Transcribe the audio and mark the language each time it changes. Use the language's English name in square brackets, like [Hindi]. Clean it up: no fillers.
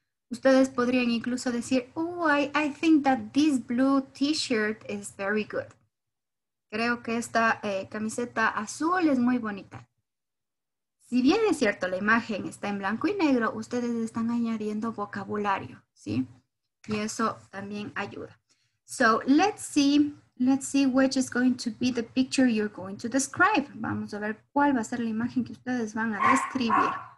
[Spanish] Ustedes podrían incluso decir, [English] oh, I think that this blue t-shirt is very good. [Spanish] Creo que esta camiseta azul es muy bonita. Si bien es cierto, la imagen está en blanco y negro, ustedes están añadiendo vocabulario, ¿sí? Y eso también ayuda. [English] So, let's see which is going to be the picture you're going to describe. [Spanish] Vamos a ver cuál va a ser la imagen que ustedes van a describir.